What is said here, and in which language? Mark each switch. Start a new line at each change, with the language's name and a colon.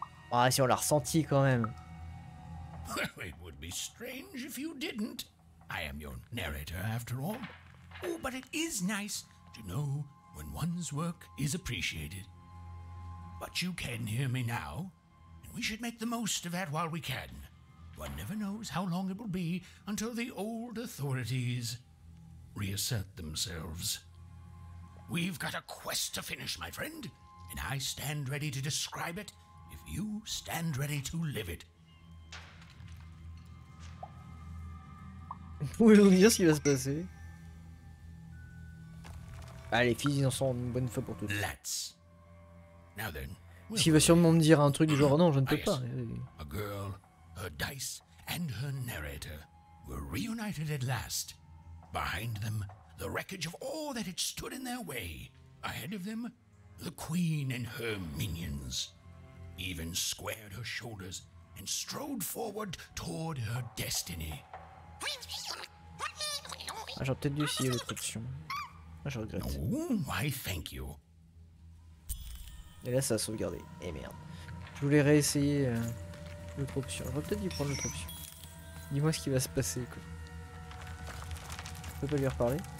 French: Ah, si on l'a ressenti quand même.
English: It would be strange if you didn't. I am your narrator, after all. Oh, but it is nice to know when one's work is appreciated. But you can hear me now, and we should make the most of that while we can. One never knows how long it will be until the old authorities reassert themselves. We've got a quest to finish, my friend, and I stand ready to describe it if you stand ready to live it.
French: Vous pouvez nous dire ce qui va se passer. Bah, les filles, ils en sont une bonne fois pour toutes.
English: Let's. Now then.
French: S'il va sûrement me dire un truc du genre, non, je ne peux pas.
English: A girl, her dice, and her narrator were reunited at last. Behind them, the wreckage of all that had stood in their way. Ahead of them, the queen and her minions. Even squared her shoulders and strode forward toward her destiny.
French: Ah, j'aurais peut-être dû essayer l'autre option. Ah, je regrette.
English: Oh, why thank you.
French: Et là, ça a sauvegardé. Eh merde. Je voulais réessayer l'autre option. J'aurais peut-être dû prendre l'autre option. Dis-moi ce qui va se passer, quoi. Je peux pas lui reparler.